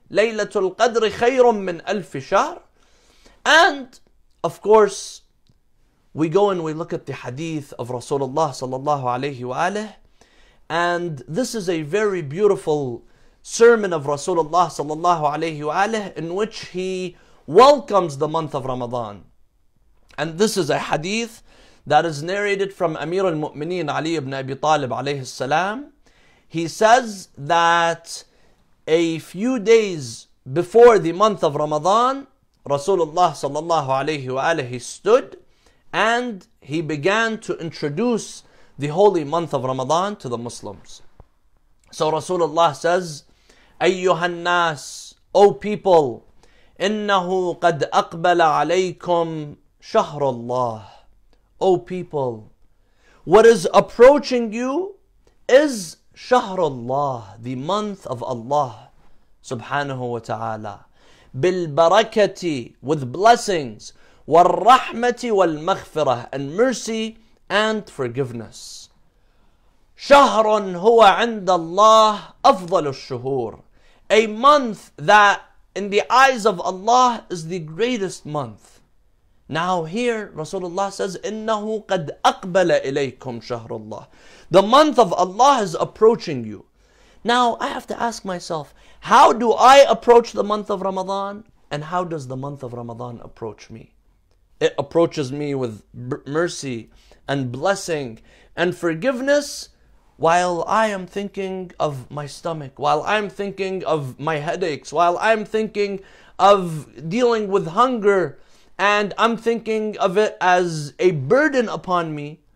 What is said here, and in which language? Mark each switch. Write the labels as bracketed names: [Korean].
[Arabic] Laylatul Qadr خير من ألف شهر. [English] And of course, we go and we look at the hadith of Rasulullah sallallahu alayhi wa alayhi, and this is a very beautiful sermon of Rasulullah sallallahu alayhi wa alayhi, in which he welcomes the month of Ramadan. And this is a hadith that is narrated from Amir al-Mu'mineen Ali ibn Abi Talib alayhi salam. He says that a few days before the month of Ramadan, Rasulullah sallallahu alayhi wa alayhi stood And he began to introduce the holy month of Ramadan to the Muslims. So Rasulullah says, [Arabic] أيها الناس, [English] O people, [Arabic] إنه قد أقبل عليكم شهر الله. [English] O people, what is approaching you is [Arabic] شهر الله, [English] the month of Allah subhanahu wa ta'ala. [Arabic] بالبركة, [English] with blessings, [Arabic] والرحمة والمغفرة, [English] and mercy and forgiveness. [Arabic] شهر هو عند الله أفضل الشهور. [English] A month that in the eyes of Allah is the greatest month. Now here Rasulullah says, [Arabic] إِنَّهُ قَدْ أَقْبَلَ إِلَيْكُمْ شَهْرُ اللَّهِ. [English] The month of Allah is approaching you. Now I have to ask myself, how do I approach the month of Ramadan? And how does the month of Ramadan approach me? It approaches me with mercy and blessing and forgiveness while I am thinking of my stomach, while I'm thinking of my headaches, while I'm thinking of dealing with hunger, and I'm thinking of it as a burden upon me.